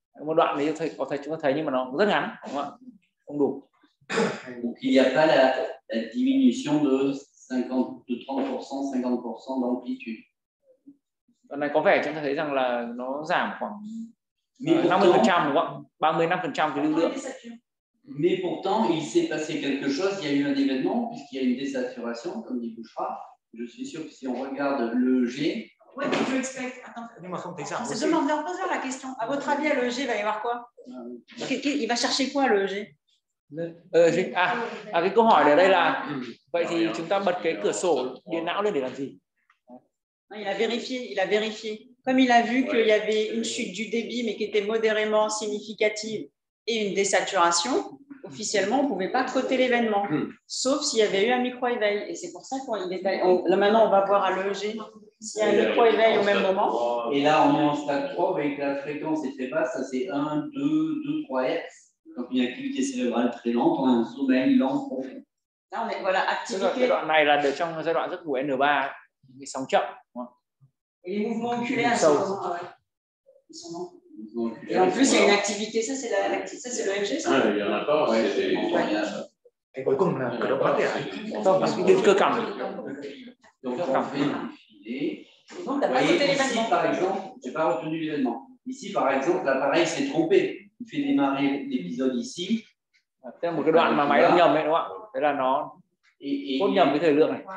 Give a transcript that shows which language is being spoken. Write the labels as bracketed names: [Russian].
[Vietnamese] Một đoạn này có thể chúng ta thấy nhưng mà nó rất ngắn, đúng không ạ? Không đủ. [French] Donc il n'y a pas la diminution de 30%, 50% d'amplitude. [Vietnamese] Đoạn này có vẻ chúng ta thấy rằng là nó giảm khoảng 50%, đúng không ạ? 35% cái lưu lượng. [French] Mais pourtant, il s'est passé quelque chose, il y a eu un événement, puisqu'il y a une désaturation, comme dit Bouchard. Je suis sûr que si on regarde le G... [English] What did you expect? [French] Attends, on se demande, on pose la question. À votre avis, à le G, il va y avoir quoi? Il va chercher quoi, le G? [Vietnamese] Cái câu hỏi ở đây là vậy thì chúng ta bật cái cửa sổ điện não lên để làm gì? [French] Il a vérifié. Comme il a vu qu'il y avait une chute du débit mais qui était modérément significative et une désaturation, officiellement on ne pouvait pas coter l'événement, sauf s'il y avait eu un micro-éveil. Et c'est pour ça qu'on est allé. Là maintenant on va voir à l'EEG s'il y a un micro-éveil au même moment. Et là on est en stade 3 avec la fréquence est très basse, ça c'est 1, 2, 2, 3 Hz. Donc une activité cérébrale très lente, on a un sommeil lent profond. Là on est voilà activité. [Vietnamese] Cái đoạn này là được trong giai đoạn giấc ngủ N3, cái sóng chậm. [French] Et les mouvements oculaires sont lents. Et en plus il y a une activité, ça c'est l'EEG. Ah il y en a pas, ouais c'est bon. [Vietnamese] Et cuối cùng là cơ động mạch à? [French] Donc parce qu'il y a [Vietnamese] cơ cảm. [French] Donc on fait filer. Donc t'as pas retenu l'événement. Ici par exemple, j'ai pas retenu l'événement. Ici par exemple, l'appareil s'est trompé. Il fait démarrer l'épisode ici. C'est un [Vietnamese] đoạn mà máy nó nhầm ấy đúng không ạ? Thế là nó cốt nhầm cái thời lượng này.